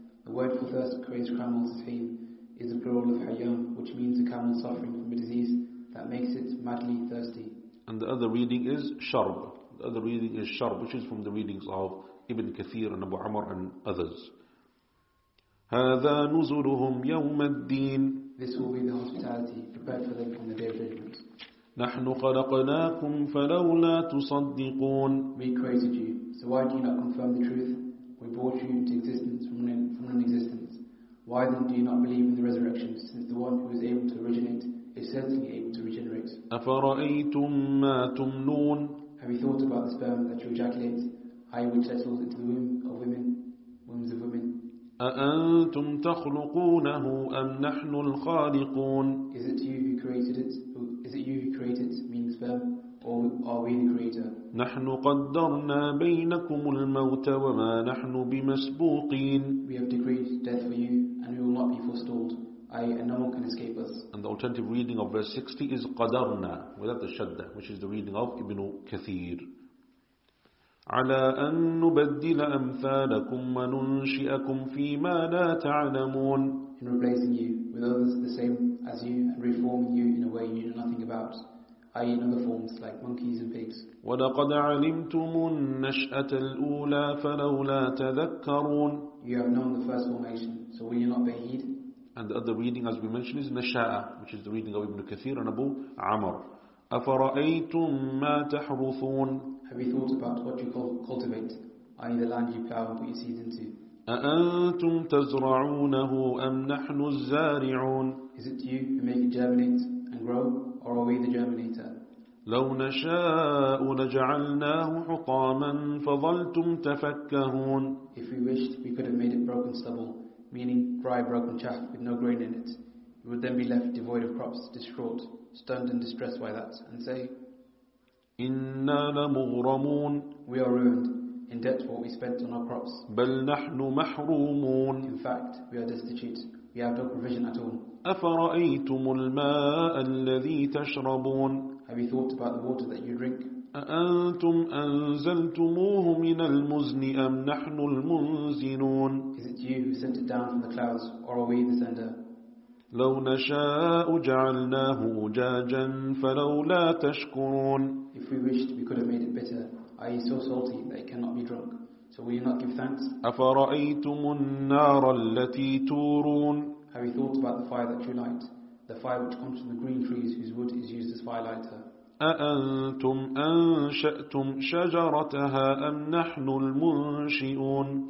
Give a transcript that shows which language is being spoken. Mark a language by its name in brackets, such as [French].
[English] The word for thirst creates camels is heen, is the plural of hayyam, which means a camel suffering from a disease that makes it madly thirsty. And the other reading is sharb. The other reading is sharb, which is from the readings of Ibn Kathir and Abu Amr and others. [Arabic] هذا نزلهم يوم الدين. [English] This will be the hospitality prepared for them on the day of judgment. [Arabic] نحن خلقناكم فلولا تصدقون. [English] We created you, so why do you not confirm the truth? We brought you into existence from non-existence. Why then do you not believe in the resurrection, since the one who is able to originate is certainly able to regenerate? [Arabic] أفرأيتم ما تمنون. [English] Have you thought about the sperm that you ejaculate, I which settles into the wombs of women? [Arabic] أأنتم تخلقونه أم نحن الخالقون؟ [English] Is it you who created it? Meaning sperm, or are we the creator? [Arabic] نحن قدرنا بينكم الموت وما نحن بمسبوقين. [English] We have decreed death for you, and we will not be forestalled. And no one can escape us. And the alternative reading of verse 60 is قدرنا without the شدة, which is the reading of Ibn Kathir. [Arabic] على أن نبدل أمثالكم وننشئكم فيما لا تعلمون. [English] In replacing you with others the same as you and reforming you in a way you know nothing about, i.e. in other forms like monkeys and pigs. [Arabic] ولقد علمتم النشأة الأولى فلولا تذكرون. [English] You have known the first formation, so will you not pay heed? And the other reading, as we mentioned, is Nasha'a, which is the reading of Ibn Kathir and Abu Amr. [Arabic] أفرأيتم ما تحرثون. [English] Have you thought about what you cultivate, i.e. the land you plow and put your seeds into? [Arabic] أأنتم تزرعونه أم نحن الزارعون؟ [English] Is it you who make it germinate and grow, or are we the germinator? [Arabic] لو نشاء لجعلناه حطاما فظلتم تفكهون. [English] If we wished, we could have made it broken stubble, meaning dry broken chaff with no grain in it. We would then be left devoid of crops, distraught, stunned and distressed by that, and say, [Arabic] إنا لمغرمون. [English] We are ruined, in debt for what we spent on our crops. [Arabic] بل نحن محرومون. [English] In fact, we are destitute. We have no provision at all. [Arabic] أفرأيتم الماء الذي تشربون. [English] Have you thought about the water that you drink? [Arabic] أأنتم أنزلتموه من المزن أم نحن المنزلون. [English] Is it you who sent it down from the clouds, or are we the sender? [Arabic] لو نشاء جعلناه أجاجا فلولا تشكرون. [English] If we wished, we could have made it bitter, i.e. so salty that it cannot be drunk. So will you not give thanks? [Arabic] أفرأيتم النار التي تورون. [English] Have you thought about the fire that you light, the fire which comes from the green trees whose wood is used as fire lighter? [Arabic] أأنتم أنشأتم شجرتها أم نحن المنشئون؟